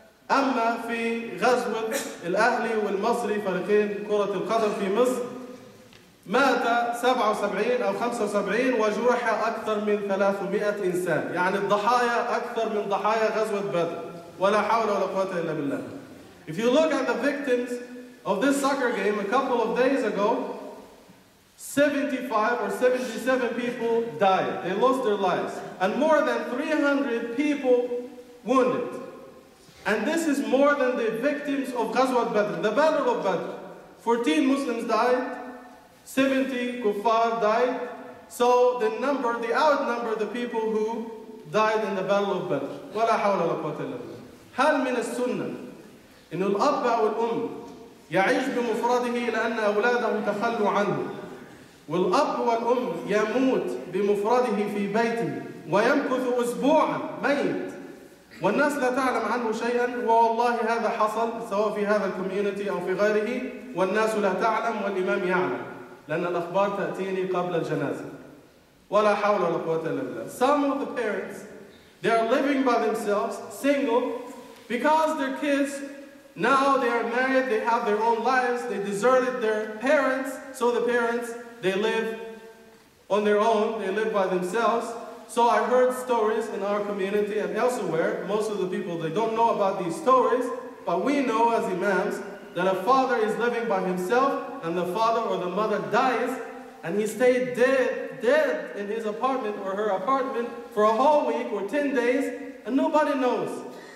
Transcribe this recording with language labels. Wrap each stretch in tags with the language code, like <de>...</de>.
<ar>أما في غزوة الأهلي والمصري فريقين كرة القدم في مصر مات 77 أو 75 وجرح أكثر من 300 إنسان، يعني الضحايا أكثر من ضحايا غزوة بدر، ولا حول ولا قوة إلا بالله.</ar> <en>If you look at the victims of this soccer game a couple of days ago, 75 or 77 people died. They lost their lives. And more than 300 people wounded. And this is more than the victims of Ghazwat Badr, the Battle of Badr. 14 Muslims died, 70 Kuffar died. So the number, the outnumber the people who died in the Battle of Badr.</en> <ar>ولا حول ولا قوة إلا بالله. هل من السنة إن الأب أو الأم يعيش بمفرده لأن أولاده تخلوا عنه؟ والأب والأم يموت بمفرده في بيته ويمكث أسبوعا ميت والناس لا تعلم عنه شيئا، والله هذا حصل سواء في هذا الكوميونتي أو في غيره، والناس لا تعلم والإمام يعلم لأن الأخبار تأتيني قبل الجنازة. ولا حول ولا قوة إلا بالله.</ar> <en>Some of the parents, they are living by themselves, single, because their kids, now they are married, they have their own lives, they deserted their parents, so the parents, they live on their own, they live by themselves. So I heard stories in our community and elsewhere. Most of the people, they don't know about these stories, but we know as imams that a father is living by himself and the father or the mother dies and he stayed dead in his apartment or her apartment for a whole week or 10 days and nobody knows.</en>